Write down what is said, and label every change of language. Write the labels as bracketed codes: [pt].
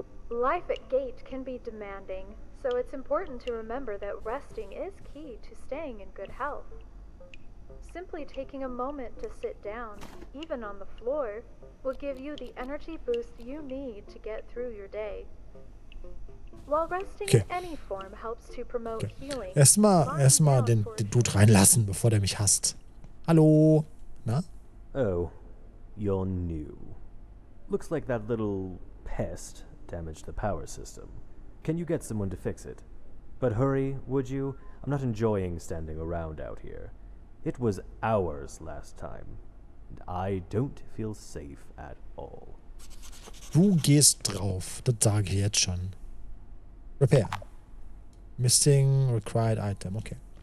[en] Life at gate can be demanding, so it's important to remember that resting is key to staying in good health. Simply taking a moment to sit down, even on the floor, will give you the energy boost you need to get through your day. While resting in any form helps to promote healing. [de] Erstmal den Dude reinlassen, bevor der mich hasst. Hallo, na? [en] Oh. You're new. Looks like that little pest damaged the power system. Can you get someone to fix it? But hurry, would you? I'm not enjoying standing around out here. It was hours last time, and I don't feel safe at all. [de] Du gehst drauf, das sage ich jetzt schon. [en] Repair. Missing required item, okay.